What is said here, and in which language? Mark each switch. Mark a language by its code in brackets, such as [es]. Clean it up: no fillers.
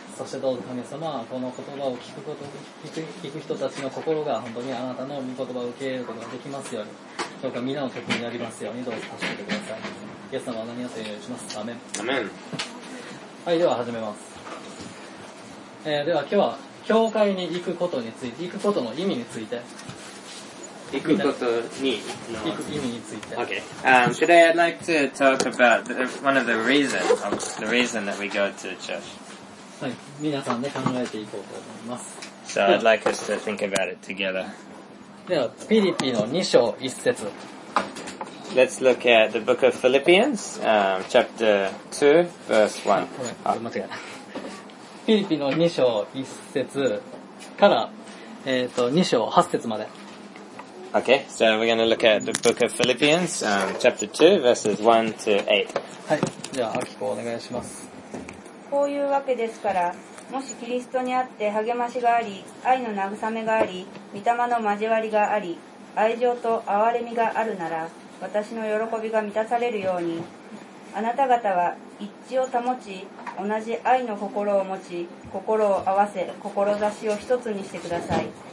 [ja] そしてどうぞ神様、この言葉を聞くこと、聞く人たちの心が本当にあなたの御言葉を受け入れることができますように。どうか皆の得意になりますように、どうぞ助けてください。イエス様は何をと言うようにします。アメン、アメン。はい、では始めます。では今日は教会に行くことについて、行くことの意味について、行くことに行く意味について。 [en] Okay. Today I'd like to talk about one of the reasons that we go to church. [ja] はい、皆さんで考えていこうと思います。 [en] So I'd like us to think about it together. [ja] ではフィリピの2章1節、 [en] Let's look at the book of Philippians, chapter 2, verse 1. [ja] 間違えた。フィリピの2章1節から、2章8節まで。 [en] Okay, so we're going to look at the book of Philippians, chapter 2, verses 1 to 8. [ja] はい、じゃあ、アキコお願いします。こういうわけですから、もしキリストにあって励ましがあり、愛の慰めがあり、御霊の交わりがあり、愛情と憐れみがあるなら、私の喜びが満たされるように、あなた方は一致を保ち、同じ愛の心を持ち、心を合わせ、志を一つにしてください。